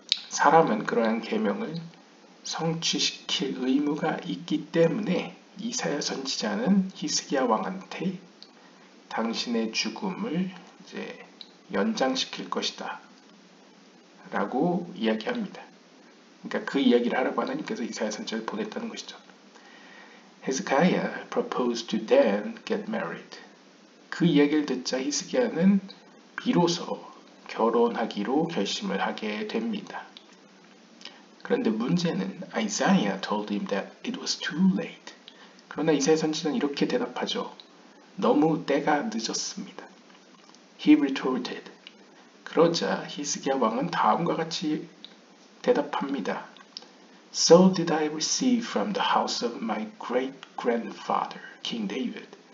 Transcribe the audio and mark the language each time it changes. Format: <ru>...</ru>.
<ko>사람은 그러한 계명을 성취시킬 의무가 있기 때문에 이사야 선지자는 히스기야 왕한테 당신의 죽음을 이제 연장시킬 것이다 라고 이야기합니다. 그러니까 그 이야기를 하라고 하나님께서 이사야 선지자를 보냈다는 것이죠.</ko> <en>Hezekiah proposed to then get married.</en> <ko>그 이야기를 듣자 히스기야는 비로소 결혼하기로 결심을 하게 됩니다. 그런데 문제는</ko> <en>Isaiah told him that it was too late.</en> <ko>그러나 이사야 선지자는 이렇게 대답하죠. 너무 때가 늦었습니다.</ko> <en>He retorted.</en> <ko>그러자 히스기야 왕은 다음과 같이 대답합니다.</ko> <en>So did I receive from the house of my great-grandfather, King David.</en>